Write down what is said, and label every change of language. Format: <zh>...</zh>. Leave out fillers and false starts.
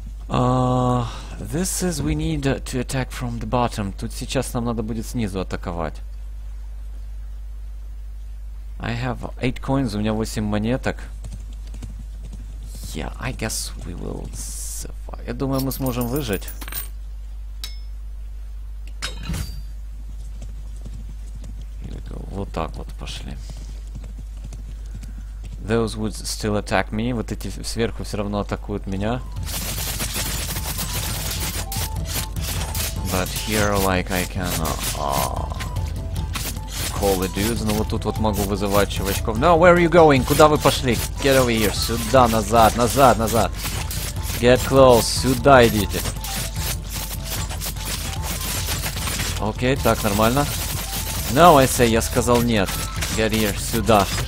<en>This is we need to attack from the bottom.</en> <ru>Тут сейчас нам надо будет снизу атаковать.</ru> <en>I have 8 coins,</en> <ru>у меня 8 монеток.</ru> <en>Yeah, I guess we will survive.</en> <ru>Я думаю, мы сможем выжить. Вот так вот пошли.</ru> <en>Those would still attack me.</en> <ru>Вот эти сверху все равно атакуют меня.</ru> <en>But here, like, I can call the dudes.</en> <ru>Но вот тут вот могу вызывать чувачков.</ru> <en>No, where are you going?</en> <ru>Куда вы пошли?</ru> <en>Get over here.</en> <ru>Сюда, назад, назад, назад.</ru> <en>Get close.</en> <ru>Сюда идите. Окей, так, нормально.</ru> <en>No, I say,</en> <ru>я сказал нет.</ru> <en>Get here.</en> <ru>Сюда.</ru>